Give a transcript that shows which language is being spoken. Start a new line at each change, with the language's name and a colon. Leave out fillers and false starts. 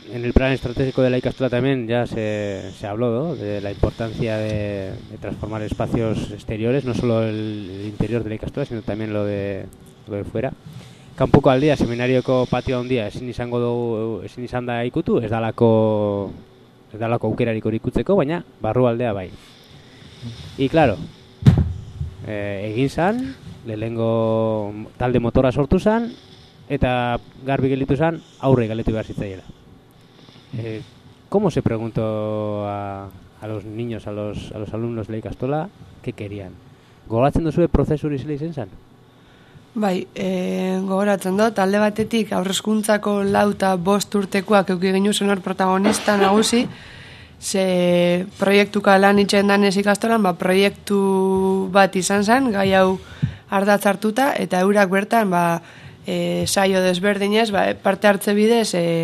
Spanish: En el plan estratégico de la ikastola también ya se habló, ¿no?, de la importancia de transformar espacios exteriores, no solo el interior de la ikastola, sino también lo de fuera.
Basque: Kanpoko aldea, seminarioko patio handia, ezin izan da ikutu, ez dalako aukerarik hori ikutzeko, baina barru aldea bai.
Spanish: I claro,
Basque: egin zan, lehengo talde motora sortu zan, eta garbi gelditu zan, aurre galetu behar zitzaiela.
Spanish: ¿Cómo se preguntó a los niños, a los alumnos de la ikastola, qué querían?
Basque: ¿Gogoratzen duzu prozesu hori zela izan zan? Bai, gogoratzen dut, talde batetik aurrezkuntzako lau eta bost urtekoak euki genuzen hor protagonista nagusi, ze proiektuka lan itxen danez ikastolan, ba, proiektu bat izan zen, gai hau ardatz hartuta, eta eurak bertan, ba, saio desberdinez, ba, parte hartze bidez,